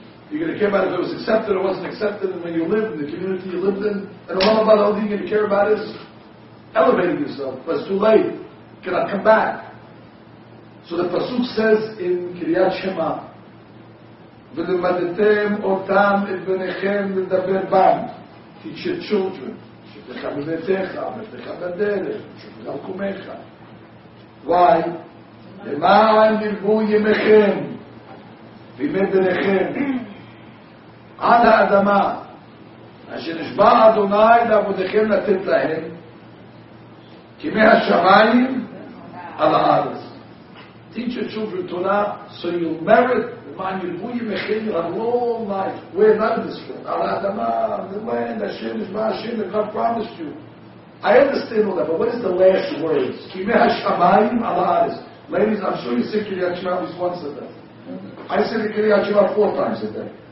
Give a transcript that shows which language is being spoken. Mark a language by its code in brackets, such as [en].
[en] You're going to care about if it was accepted or wasn't accepted, and when you live in the community you lived in. And a lot of money, all you're going to care about is elevating yourself. But it's too late. You cannot come back. So the Pasuk says in Kiryat Shema, [he] ולמדתם אותם את בניכם לדבר בם. [en] Teach your children. [he] שבתך בבתיך, בבתיך בדרך, שבתך בקומך. [en] Why? [he] למען ירבו ימיכם, וימי בניכם, עד האדמה, אשר נשבע אדוני לעבודיכם לתת להם, כמי השמיים על הארץ. [en] Teach your children Torah so you'll merit man yirbuy mechin your whole life. Where none of this from? Al Adama, the land, Hashem is my Hashem that God promised you. I understand all that, but what is the last words? Kimei Hashamayim al Haaretz. Ladies, I'm sure you say Kiryat Shema at least once a day. I say the Kiryat Shema four times a day.